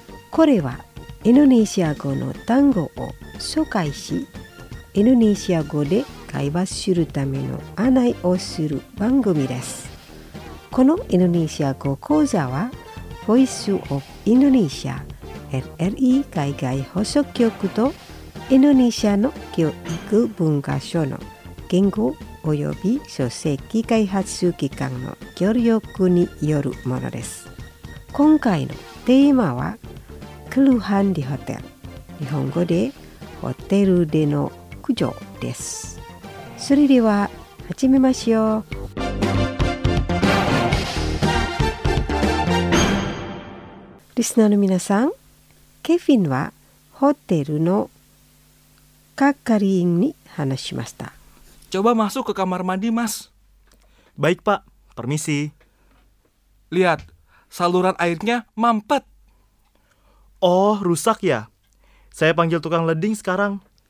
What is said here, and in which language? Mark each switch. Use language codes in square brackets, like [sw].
[ja] Kore wa Indonesia go no dango wo shokai shi Indonesia go de 会話するための案内をする番組です。このインドネシア語講座は Voice of Indonesia RRI 海外放送局とインドネシアの教育文化省の言語及び書籍開発機関の協力によるものです。今回のテーマはクルハンディホテル、日本語でホテルでの苦情です。それでは始めましょう。リスナーの皆さん、ケフィンはホテルの係員に話しました。 [id] Coba masuk ke kamar mandi, Mas. Baik, Pak. Permisi. Lihat, saluran airnya mampet. Oh, rusak ya? Saya panggil tukang leding sekarang.